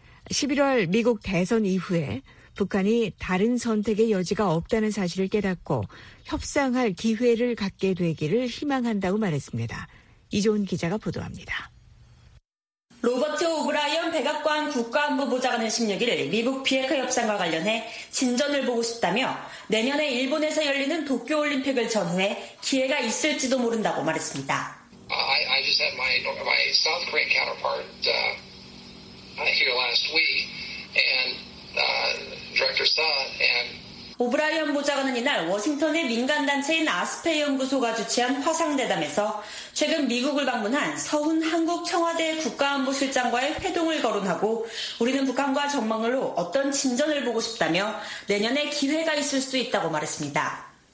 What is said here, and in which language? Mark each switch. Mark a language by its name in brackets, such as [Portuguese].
[Korean] 11월 미국 대선 이후에 북한이 다른 선택의 여지가 없다는 사실을 깨닫고 협상할 기회를 갖게 되기를 희망한다고 말했습니다. 이종훈 기자가 보도합니다. 로버트 오브라이언 백악관 국가안보보좌관은 16일 미국 비핵화 협상과 관련해 진전을 보고 싶다며 내년에 일본에서 열리는 도쿄올림픽을 전후해 기회가 있을지도 모른다고 말했습니다. [English] I just had my South Korean counterpart here last week and Director Sun and [Korean] 오브라이언 보좌관은 이날 워싱턴의 민간단체인 아스페이 연구소가 주최한 화상대담에서 최근 미국을 방문한 서훈 한국 청와대 국가안보실장과의 회동을 거론하고 우리는 북한과 정막으로 어떤 진전을 보고 싶다며 내년에 기회가 있을 수 있다고 말했습니다.